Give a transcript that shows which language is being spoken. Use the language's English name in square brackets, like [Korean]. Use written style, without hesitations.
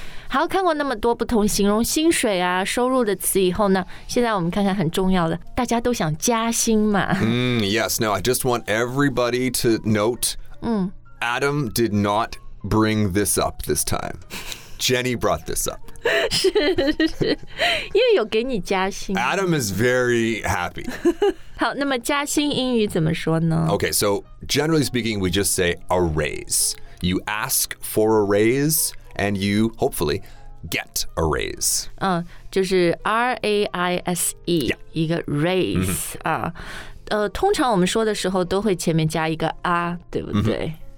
[Chinese] 好，看过那么多不同形容薪水啊、收入的词以后呢，现在我们看看很重要的，大家都想加薪嘛。 [English] Yes. Now I just want everybody to note. Adam did not bring this up this time. Jenny brought this up. [Chinese] 是，因为有给你加薪。 [English] Adam is very happy. [Chinese] 好，那么加薪英语怎么说呢 [English] ？Okay, so generally speaking, we just say a raise. You ask for a raise, and you hopefully get a raise. [Chinese] 就是 R-A-I-S-E,、一个 raise 啊、通常我们说的时候都会前面加一个啊，对不对？